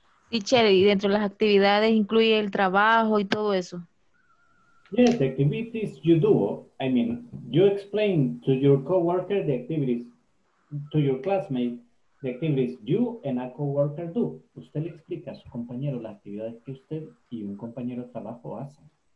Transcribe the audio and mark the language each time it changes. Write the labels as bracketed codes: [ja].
[es] Sí, Chévere, y dentro de las actividades incluye el trabajo y todo eso. [en] Yes, the activities you do, I mean, you explain to your coworker the activities, to your classmate. The activities you and a coworker do. [es] Usted le explica a su compañero las actividades que usted y un compañero de trabajo hacen.